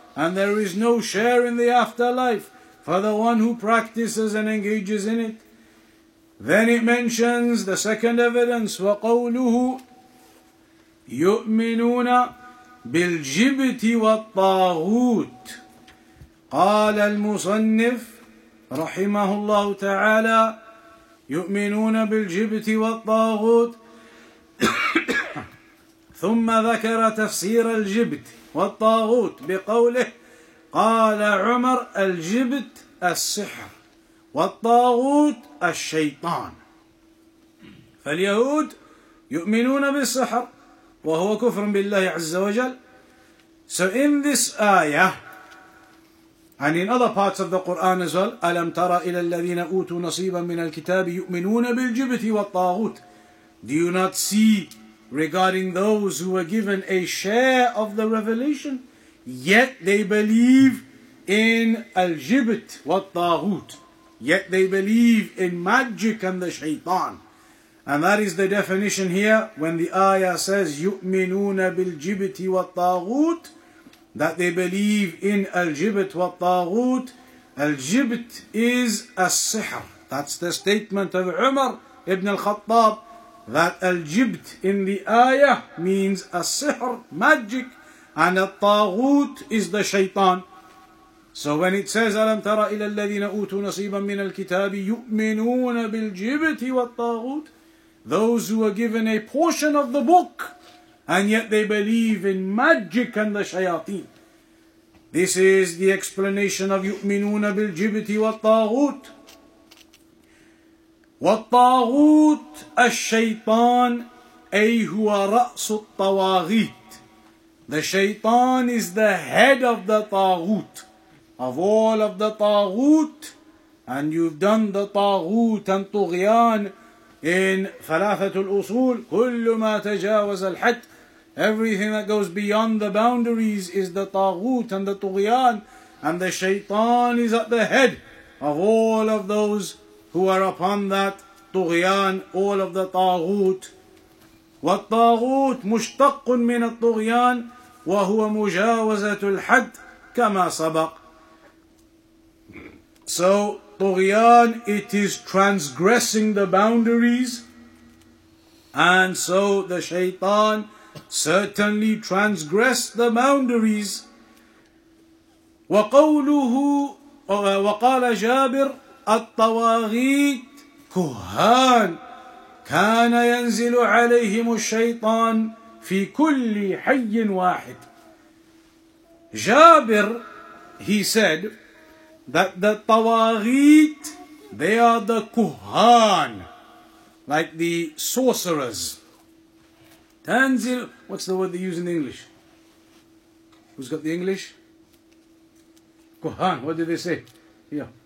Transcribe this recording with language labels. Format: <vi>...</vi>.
<en>And there is no share in the afterlife for the one who practices and engages in it. Then it mentions the second evidence,</en> <ar>وَقَوْلُهُ يُؤْمِنُونَ بِالْجِبْتِ وَالطَّاغُوتِ. قَالَ الْمُصَنِّفْ رَحِمَهُ اللَّهُ تَعَالَى يُؤْمِنُونَ بِالْجِبْتِ وَالطَّاغُوتِ ثُمَّ ذَكَرَ تَفْسِيرَ الْجِبْتِ والطاغوت بقوله قال عمر الجبت السحر والطاغوت الشيطان. فاليهود يؤمنون بالسحر وهو كفر بالله عز وجل.</ar> <en>So in this ayah and in other parts of the Quran as well,</en> <ar>ألم ترى إلى الذين أوتوا نصيبا من الكتاب يؤمنون بالجبت والطاغوت.</ar> <en>Do you not see regarding those who were given a share of the revelation, yet they believe in al-jibt wa-t-taghut, yet they believe in magic and the shaitan. And that is the definition here, when the ayah says, yu'minuna bil-jibti wa-t-taghut, that they believe in al-jibt wa-t-taghut. Al-jibt is al-sihr. That's the statement of Umar ibn al-Khattab, that al-jibt in the ayah means al-sihr, magic, and al-taghut is the shaytan. So when it says,</en> <ar>أَلَمْ تَرَ إِلَى الَّذِينَ أُوتُوا نَصِيبًا مِنَ الْكِتَابِ يُؤْمِنُونَ بِالْجِبْتِ وَالطَّاغُوتِ.</ar> <en>Those who are given a portion of the book, and yet they believe in magic and the shayateen. This is the explanation of</en> <ar>يُؤْمِنُونَ بِالْجِبْتِ وَالطَّاغُوتِ. والطاغوت الشيطان أي هو رأس الطواغيت.</ar> <en>The shaitan is the head of the طاغوت, of all of the طاغوت, and you've done the</en> <ar>طاغوت and طغيان in ثلاثة الأصول كل ما تجاوز الحد.</ar> <en>Everything that goes beyond the boundaries is the طاغوت and the طغيان, and the shaitan is at the head of all of those who are upon that طغيان, all of the طاغوت.</en> <ar>والطاغوت مشتق من الطغيان وهو مجاوزة الحد كما سبق.</ar> <en>So طغيان, it is transgressing the boundaries, and so the shaitan certainly transgressed the boundaries.</en> <ar>وقوله وقال جابر الطواغيت كهان كان ينزل عليهم الشيطان في كل حي واحد.</ar> <en>Jabir, he said that the tawaghit, they are the kuhan, like the sorcerers. Tanzil, what's the word they use in English? Who's got the English? Kuhan, what do they say? Yeah.</en>